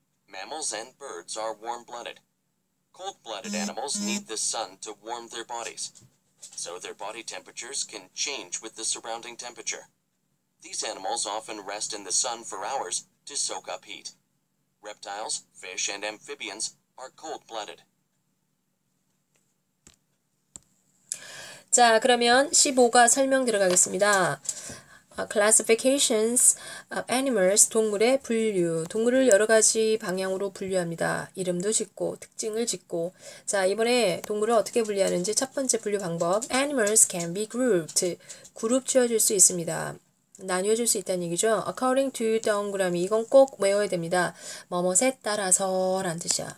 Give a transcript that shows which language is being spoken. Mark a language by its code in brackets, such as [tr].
[en] Mammals and birds are warm-blooded. Cold-blooded animals need the sun to warm their bodies, so their body temperatures can change with the surrounding temperature. These animals often rest in the sun for hours to soak up heat. Reptiles, fish, and amphibians are cold-blooded. [ko] 자, 그러면 15과 설명 들어가겠습니다. [en] Classifications of animals, [ko] 동물의 분류. 동물을 여러 가지 방향으로 분류합니다. 이름도 짓고, 특징을 짓고. 자, 이번에 동물을 어떻게 분류하는지 첫 번째 분류 방법. [en] Animals can be grouped. [ko] 그룹 지어질 수 있습니다. 나뉘어질 수 있다는 얘기죠. [en] According to [ko] 다음그램이 이건 꼭 외워야 됩니다. 뭐뭇에 따라서란 뜻이야.